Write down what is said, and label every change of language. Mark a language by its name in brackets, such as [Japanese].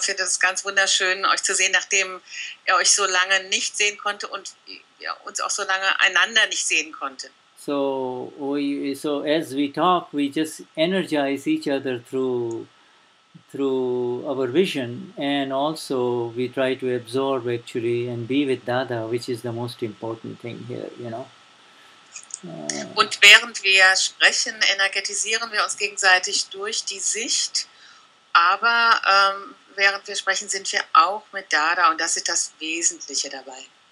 [German] Finde es ganz wunderschön, euch zu sehen, nachdem er euch so lange nicht sehen konnte und ja, uns auch so lange einander nicht sehen konnte. [English] So as we talk, we just energize each other through our vision, and also we try to absorb actually and be with Dada, which is the most important thing here, you know. [German] Und während wir sprechen, energetisieren wir uns gegenseitig durch die Sicht, aber während wir sprechen, sind wir auch mit Dada, und das ist das Wesentliche dabei.